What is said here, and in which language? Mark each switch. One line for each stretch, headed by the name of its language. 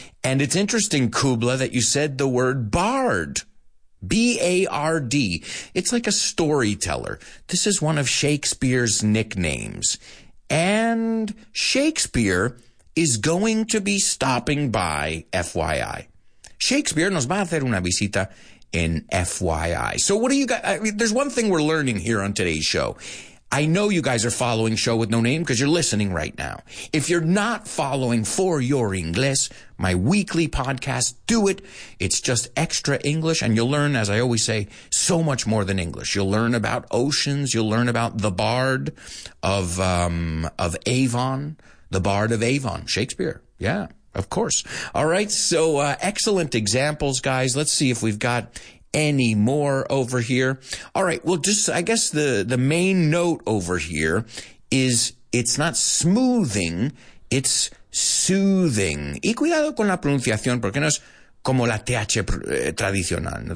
English: And it's interesting, Kubla, that you said the word bard. B-A-R-D. It's like a storyteller. This is one of Shakespeare's nicknames. And Shakespeare is going to be stopping by FYI.
Spanish: Shakespeare nos va a hacer una visita en FYI.
English: So what do you guys, there's one thing we're learning here on today's show. I know you guys are following Show With No Name because you're listening right now. If you're not following For Your Inglés, my weekly podcast, do it. It's just extra English, and you'll learn, as I always say, so much more than English. You'll learn about oceans. You'll learn about the Bard of Avon, the Bard of Avon, Shakespeare. Yeah, of course. All right, so excellent examples, guys. Let's see if we've got any more over here. All right. Well, just, I guess the main note over here is it's not smoothing. It's soothing.
Spanish: Y cuidado con la pronunciación porque no es como la TH tradicional.